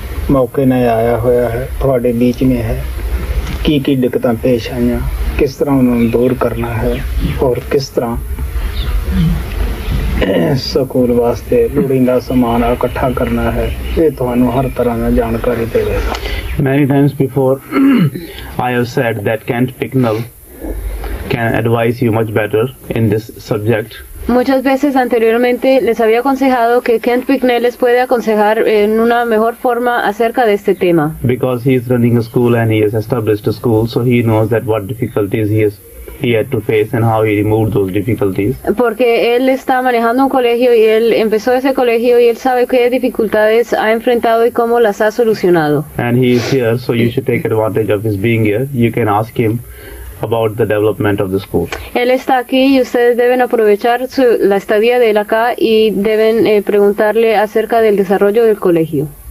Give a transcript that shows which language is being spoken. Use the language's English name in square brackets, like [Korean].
[Punjabi] ਮੌਕੇ ਨਾਲ ਆਇਆ ਹੋਇਆ ਹੈ, ਤੁਹਾਡੇ ਬੀਚ ਮੇ ਹੈ, ਕੀ ਦਿੱਕਤਾਂ ਪੇਸ਼ ਆਈਆਂ, ਕਿਸ ਤਰ੍ਹਾਂ ਉਹਨਾਂ ਨੂੰ ਦੂਰ ਕਰਨਾ ਹੈ, ਔਰ ਕਿਸ ਤਰ੍ਹਾਂ ਸਕੂਲ ਵਾਸਤੇ ਲੋੜੀਂਦਾ ਸਮਾਨ ਇਕੱਠਾ ਕਰਨਾ ਹੈ, ਇਹ ਤੁਹਾਨੂੰ ਹਰ ਤਰ੍ਹਾਂ ਦਾ ਜਾਣਕਾਰੀ ਦੇਵੇਗਾ. [English] Many times before I have said that Kent Picknel can advise you much better in this subject. [Spanish] Muchas veces anteriormente les había aconsejado que Kent Picknell les puede aconsejar en una mejor forma acerca de este tema. [English] Because he is running a school and he has established a school, so he knows that what difficulties he had to face and how he removed those difficulties. [Spanish] Porque él está manejando un colegio y él empezó ese colegio y él sabe qué dificultades ha enfrentado y cómo las ha solucionado. [English] And he is here, so you should take advantage of his being here. You can ask him about the development of the school. [Spanish] Él está aquí y ustedes deben aprovechar la estadía de él acá y deben preguntarle acerca del desarrollo del colegio.